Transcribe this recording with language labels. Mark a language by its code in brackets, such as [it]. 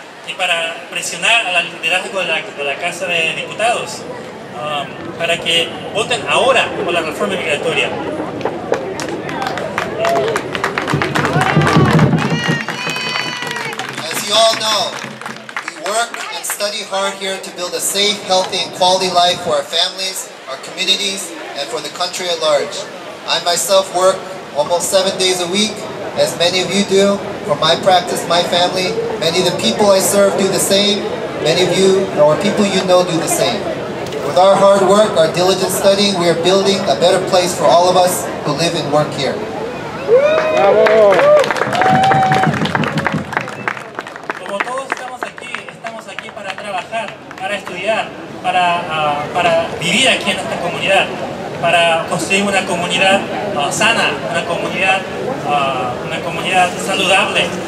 [es] Y para presionar al liderazgo de la Casa de Diputados para que voten ahora por la reforma migratoria. [en] As you all know, we work and study hard here to build a safe, healthy, and quality life for our families, our communities, and for the country at large. I myself work almost 7 days a week, as many of you do, for my practice, my family. Many of the people I serve do the same. Many of you, or people you know, do the same. With our hard work, our diligent studying, we are building a better place for all of us who live and work here. Bravo. [es] Como todos estamos aquí para trabajar, para estudiar, para vivir aquí en esta comunidad, para construir una comunidad sana, una comunidad saludable.